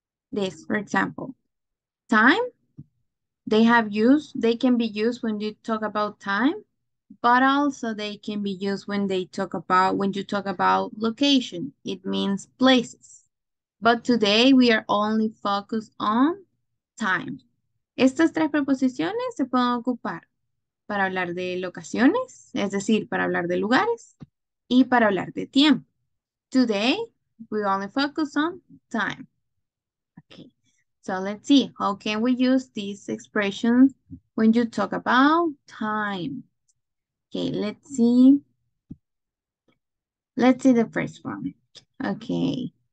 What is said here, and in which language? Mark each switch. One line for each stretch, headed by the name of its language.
English: This, for example, time, they can be used when you talk about time, but also they can be used when you talk about location. It means places. But today we are only focused on time.
Spanish: Estas tres preposiciones se pueden ocupar para hablar de locaciones, es decir, para hablar de lugares y para hablar de tiempo.
English: Today, we only focus on time. Okay, so let's see, how can we use this expression when you talk about time? Okay, let's see. Let's see the first one. Okay.